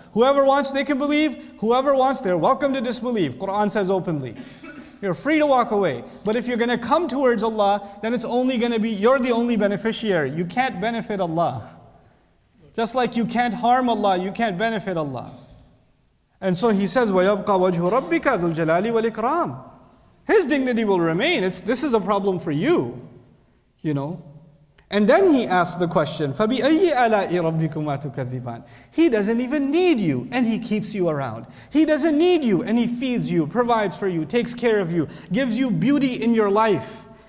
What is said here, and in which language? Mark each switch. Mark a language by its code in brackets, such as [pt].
[en] Whoever wants, they can believe. Whoever wants, they're welcome to disbelieve. Quran says openly. You're free to walk away. But if you're going to come towards Allah, then it's only going to be, you're the only beneficiary. You can't benefit Allah. Just like you can't harm Allah, you can't benefit Allah. And so he says, [ar] وَيَبْقَى وَجْهُ رَبِّكَ ذُو الْجَلَالِ وَالْإِكْرَامِ. [en] His dignity will remain. This is a problem for you. You know? And then he asks the question, [ar] فَبِأَيِّ أَلَاءِ رَبِّكُمَا تُكَذِّبَانِ. [en] He doesn't even need you, and he keeps you around. He doesn't need you, and he feeds you, provides for you, takes care of you, gives you beauty in your life.